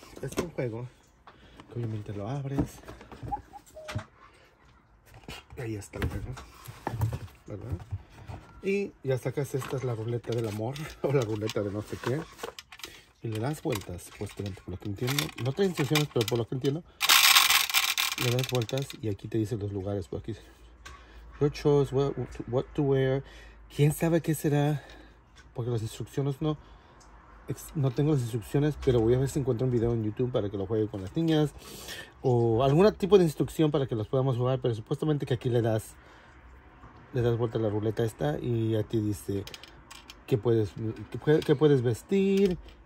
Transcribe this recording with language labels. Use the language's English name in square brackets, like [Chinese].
[Spanish] Es un juego que obviamente lo abres y ahí está el juego, ¿verdad? Y ya sacas, esta es la ruleta del amor o la ruleta de no sé qué. Y le das vueltas, supuestamente, por lo que entiendo. No tengo instrucciones, pero por lo que entiendo. Le das vueltas y aquí te dicen los lugares. Por aquí. [English] Your choice, what to wear. [Spanish] ¿Quién sabe qué será? Porque las instrucciones no... No tengo las instrucciones, pero voy a ver si encuentro un video en YouTube para que lo juegue con las niñas. O algún tipo de instrucción para que los podamos jugar. Pero supuestamente que aquí le das vuelta a la ruleta esta. Y a ti dice qué puedes vestir.